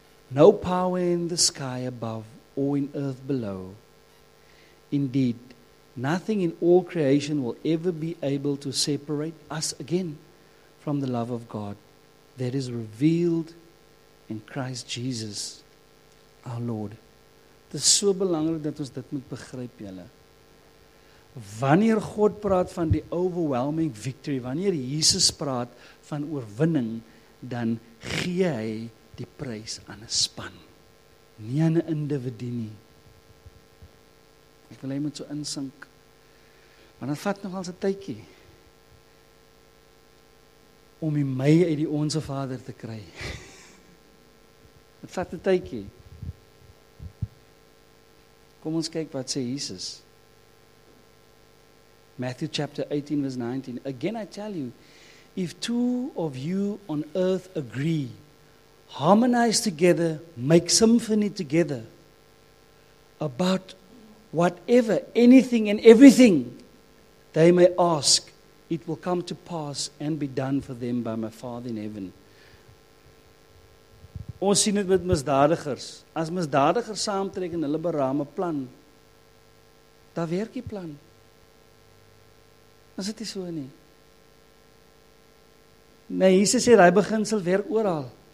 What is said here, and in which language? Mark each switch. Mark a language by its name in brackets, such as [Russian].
[English] No power in the sky above or in earth below. Indeed, Nothing in all creation will ever be able to separate us again from the love of God that is revealed in Christ Jesus, our Lord. [Afrikaans] Dit is so belangrik dat ons dit moet begryp, julle. Wanneer God praat van die [English] overwhelming victory, [Afrikaans] wanneer Jesus praat van oorwinning, dan gee hy die prys aan 'n span, nie aan 'n individu nie. Ek wil hy moet so insink, want dit vat nogal 'n tydjie om die my uit die onse Vader te kry. Dit vat 'n tydjie. Kom ons kyk wat sê Jesus. [English] Matthew chapter 18 verse 19. Again I tell you, if two of you on earth agree, harmonize together, make symphony together about whatever, anything and everything they may ask, it will come to pass and be done for them by my Father in heaven. [Afrikaans] Ons sien dit met misdadigers. As misdadigers saamtrek en hulle beraam 'n plan, daar werk die plan. Is dit nie so nie? Nee, Jesus sê, die beginsel werk ooral.